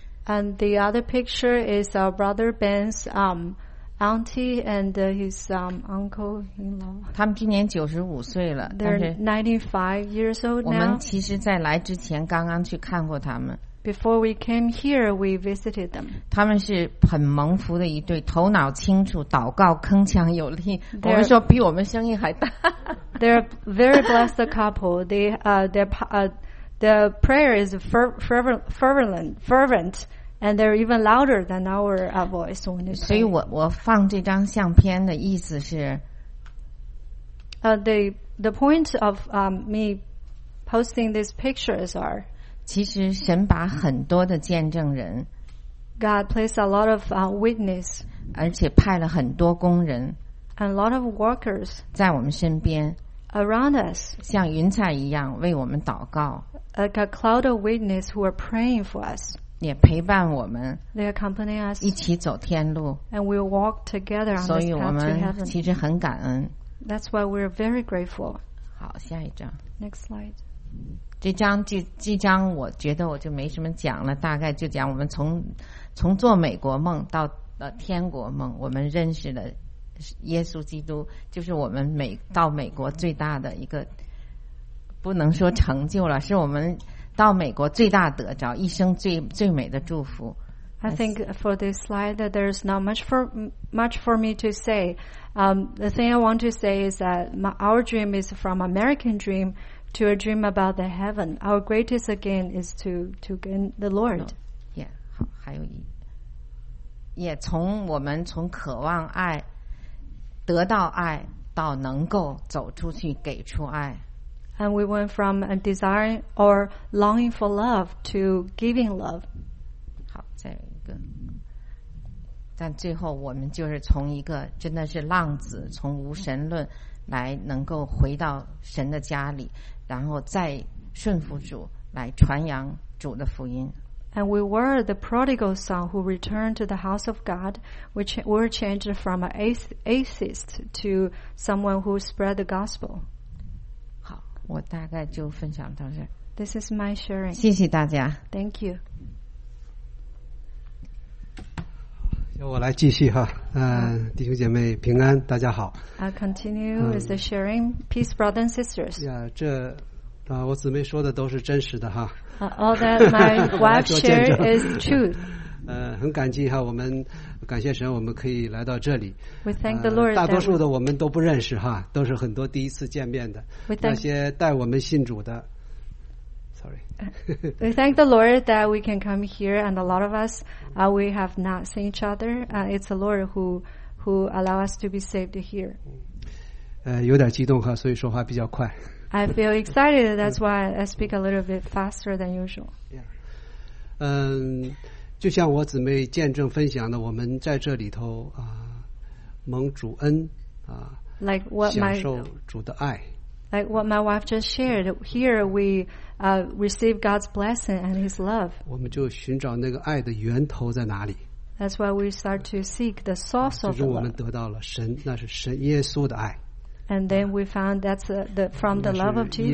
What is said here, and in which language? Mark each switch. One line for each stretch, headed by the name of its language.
English: And the other picture is our brother Ben's Auntie and his uncle-in-law.
Chinese: 他们今年95岁了。
English: They're 95 years old now.
Chinese: 我们其实在来之前刚刚去看过他们。
English: Before we came here, we visited them.
Chinese: 他们是很蒙福的一对，头脑清楚，祷告铿锵有力。我们说比我们声音还大。
English: They're very blessed couple. The prayer is fervent. And they're even louder than our voice when they pray.
Chinese: 所以我放这张相片的意思是
English: the point of me posting these pictures are
Chinese: 其实神把很多的见证人
English: God placed a lot of witness
Chinese: 而且派了很多工人
English: and a lot of workers
Chinese: 在我们身边
English: around us
Chinese: 像云彩一样为我们祷告
English: like a cloud of witness who are praying for us
Chinese: 也陪伴我们
English: They accompany us
Chinese: 一起走天路
English: And we walk together on this path to heaven
Chinese: 所以我们其实很感恩
English: That's why we're very grateful
Chinese: 好下一张
English: Next slide
Chinese: 这张我觉得我就没什么讲了大概就讲我们从做美国梦到天国梦我们认识了耶稣基督就是我们到美国最大的一个不能说成就了是我们到美国最大得着一生最美的祝福
English: I think for this slide there's not much for me to say the thing I want to say is that our dream is from American dream to a dream about the heaven our greatest gain is to gain the Lord no. yeah
Chinese: 好还有一也从我们从渴望爱得到爱到能够走出去给出爱
English: And we went from a desire or longing for love to giving love.
Chinese: 好，再一个。但最后我们就是从一个真的是浪子，从无神论来能够回到神的家里，然后再顺服主来传扬主的福音。
English: And we were the prodigal son who returned to the house of God, which were changed from an atheist to someone who spread the gospel.
Chinese: 好，我大概就分享到这。
English: This is my sharing.
Chinese: 谢谢大家。
English: Thank you.
Chinese: 由我来继续哈，弟兄姐妹平安，大家好。
English: I'll continue with the sharing. Peace, brothers and sisters. Yeah, 这。
Chinese: 啊，我姊妹说的都是真实的哈。
English: All that my wife shared is truth.
Chinese: 很感激哈，我们感谢神，我们可以来到这里。
English: We thank the Lord.
Chinese: 大多数的我们都不认识哈，都是很多第一次见面的。那些带我们信主的 ，sorry.
English: We thank the Lord that we can come here, and a lot of us, we have not seen each other. It's the Lord who allow us to be saved here.
Chinese: 有点激动哈，所以说话比较快。
English: I feel excited. That's why I speak a little bit faster than usual. Yeah.
Chinese: 就像我姊妹见证分享的，我们在这里头啊，蒙主恩啊，
English: like what my
Chinese: 享受主的爱。
English: Like what my wife just shared. Here we receive God's blessing and His love.
Chinese: 我们就寻找那个爱的源头在哪里。
English: That's why we start to seek the source of love.
Chinese: 就是我们得到了神，那是神耶稣的爱。
English: And then we found that's the from the love of Jesus.